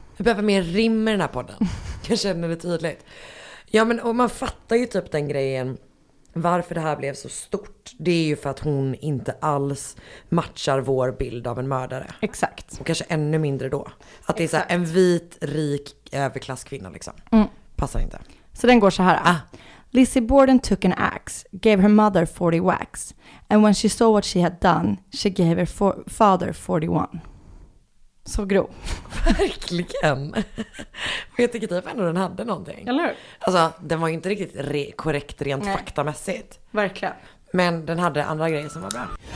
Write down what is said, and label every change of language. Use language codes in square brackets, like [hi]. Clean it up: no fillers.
[sv] Jag behöver mer rim i den här podden. Jag känner det tydligt. Ja, men och man fattar ju typ den grejen. Varför det här blev så stort, det är ju för att hon inte alls matchar vår bild av en mördare. Exakt. Och kanske ännu mindre då. Att det är så här, en vit, rik, överklasskvinna liksom. Mm. Passar inte. Så den går så här. [en] Lizzie Borden took an axe, gave her mother 40 wax. And when she saw what she had done, she gave her father 41. [sv] Så grov. Verkligen. Jag tycker typ ändå den hade någonting. Eller hur? Alltså, den var ju inte riktigt korrekt rent faktamässigt. Verkligen. Men den hade andra grejer som var bra.